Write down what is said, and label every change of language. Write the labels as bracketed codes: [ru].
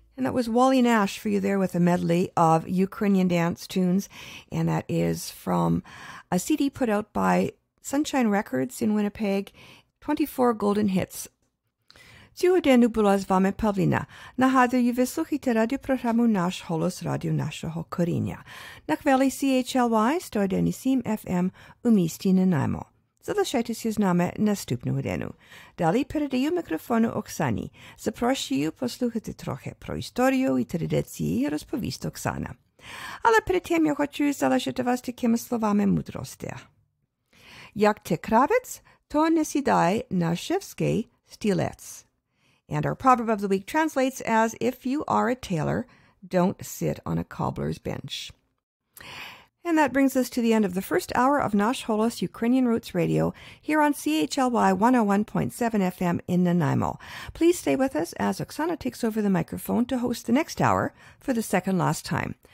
[en] was Wally Nash for you there with a medley of Ukrainian dance tunes, and that is from a CD put out by Sunshine Records in Winnipeg, 24 Golden Hits. [uk] Цього дня була з вами Павліна. Нагадую, ви слухаєте радіопрограму «Наш голос» радіо нашого коріння. На хвилі CHLY 101.7 FM у місті Нанаймо. Залишайтеся з нами наступного дня. Далі передаю мікрофону Оксані. Запрошую послухати трохи про історію і традиції, розповість Оксана. Але перед тим я хочу залишити вас такими словами мудрості. Як ти кравець, то не сідай на шевський стілець. [en] And our proverb of the week translates as, if you are a tailor, don't sit on a cobbler's bench. And that brings us to the end of the first hour of Nash Holos Ukrainian Roots Radio here on CHLY 101.7 FM in Nanaimo. Please stay with us as Oksana takes over the microphone to host the next hour for the second last time.